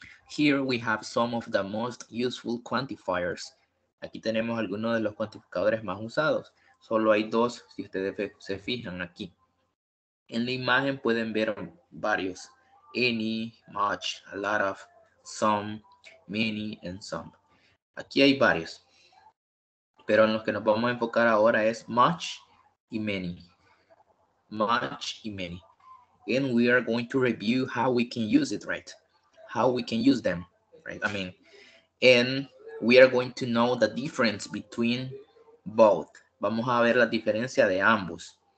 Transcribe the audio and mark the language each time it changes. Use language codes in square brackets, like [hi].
[en] Here we have some of the most useful quantifiers. [es] Aquí tenemos algunos de los cuantificadores más usados. Solo hay dos, si ustedes se fijan aquí. En la imagen pueden ver varios. [en] Any, much, a lot of, some, many, and some. [es] Aquí hay varios. Pero en los que nos vamos a enfocar ahora es much y many. Much y many. [en] And we are going to review how we can use it, right? How we can use them, right? I mean, and we are going to know the difference between both. [es] Vamos a ver la diferencia de ambos.